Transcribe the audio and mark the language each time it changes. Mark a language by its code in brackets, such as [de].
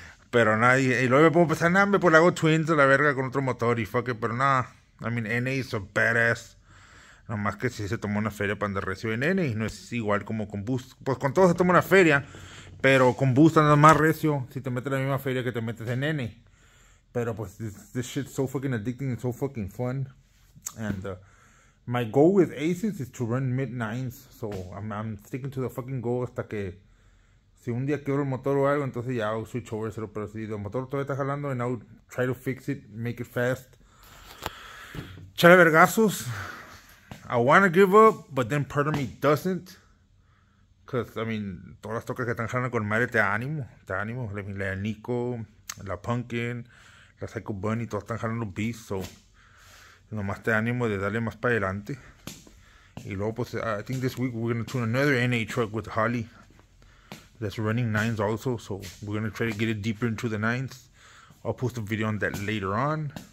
[es] Pero nadie, y luego me puedo pensar, nada, me pongo, hago twins a la verga con otro motor y [en] fuck it, [es] pero nada. [en] I mean, NA is a badass. [es] Nomás que si se tomó una feria para andar recio en NA, no es igual como con Boost. Pues con todo se toma una feria, pero con Boost andas más recio si te metes la misma feria que te metes en NA. Pero pues, [en] this shit's so fucking addicting and so fucking fun. And my goal with Aces is to run mid-9s, so I'm sticking to the fucking goal [es] hasta que... Si un día quiebro el motor o algo, entonces ya [en] I'll switch over, [es] cero. Pero si el motor todavía está jalando, [en] and I'll try to fix it, make it fast. [es] Chale vergazos. [en] I wanna give up, but then part of me doesn't. Cause, I mean, [es] todas las tocas que están jalando con madre te ánimo. [en] I mean, [es] la Nico, la Pumpkin, la Psycho Bunny, todas están jalando [en] beast, so... [es] Nomás te ánimo de darle más para adelante. Y luego, pues, [en] I think this week we're gonna tune another NA truck with Holly. That's running 9s also, so we're gonna try to get it deeper into the 9s. I'll post a video on that later on.